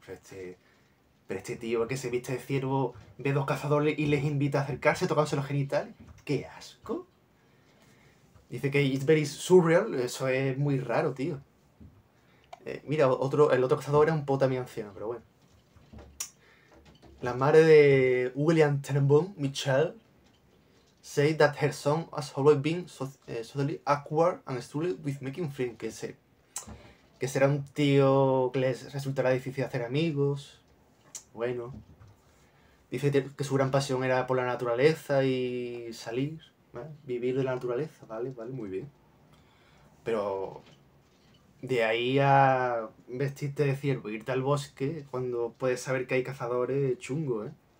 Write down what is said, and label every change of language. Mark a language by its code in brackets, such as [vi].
[es] Pero este tío que se viste de ciervo ve dos cazadores y les invita a acercarse tocándose los genitales. ¡Qué asco! Dice que [en] it's very surreal. [es] Eso es muy raro, tío. Mira, el otro cazador era un poco también anciano, pero bueno. La madre de [en] William Terenbaum, Michelle, say that her son has always been socially awkward and struggled with making friends. [es] Que será un tío que les resultará difícil hacer amigos. Bueno. Dice que su gran pasión era por la naturaleza y salir, ¿vale? Vivir de la naturaleza, vale, muy bien. Pero de ahí a vestirte de ciervo, irte al bosque, cuando puedes saber que hay cazadores, chungo, ¿eh?